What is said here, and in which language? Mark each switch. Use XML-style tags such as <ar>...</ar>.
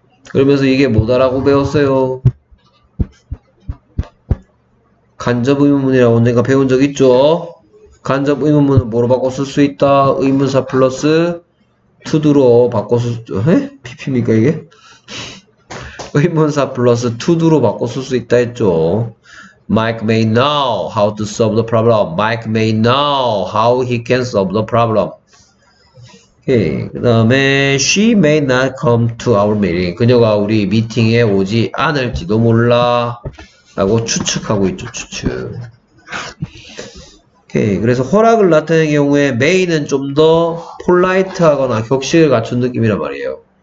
<ko>그러면서 이게 뭐다라고 배웠어요? 간접 의문문이라고 언젠가 배운 적 있죠? 간접 의문문은 뭐로 바꿔 쓸수 있다? 의문사 플러스 투두로 바꿔서 에? PP입니까 이게? 의문사 플러스 to do로 바꿔 쓸수 있다 했죠.</ko> <en>Mike may know how to solve the problem. Mike may know how he can solve the problem. 오케이.</en> <ko>그 다음에</ko> <en>she may not come to our meeting.</en> <ko>그녀가 우리 미팅에 오지 않을지도 몰라라고 추측하고 있죠. 추측. 오케이. 그래서 허락을 나타낸 경우에 may는 좀더 폴라이트하거나 격식을 갖춘 느낌이란 말이에요.</ko>